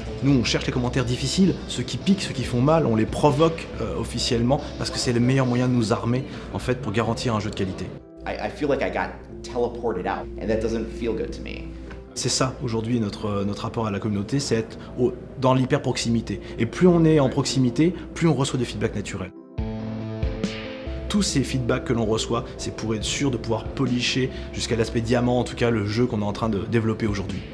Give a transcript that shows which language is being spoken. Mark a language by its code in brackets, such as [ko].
[fr] Nous, on cherche les commentaires difficiles, ceux qui piquent, ceux qui font mal, on les provoque officiellement parce que c'est le meilleur moyen de nous armer en fait pour garantir un jeu de qualité. [en] I feel like I got teleported out, and that doesn't feel good to me. [fr] C'est ça, aujourd'hui, notre rapport à la communauté, c'est être dans l'hyper-proximité. Et plus on est en proximité, plus on reçoit des feedbacks naturels. Tous ces feedbacks que l'on reçoit, c'est pour être sûr de pouvoir polisher jusqu'à l'aspect diamant, en tout cas, le jeu qu'on est en train de développer aujourd'hui.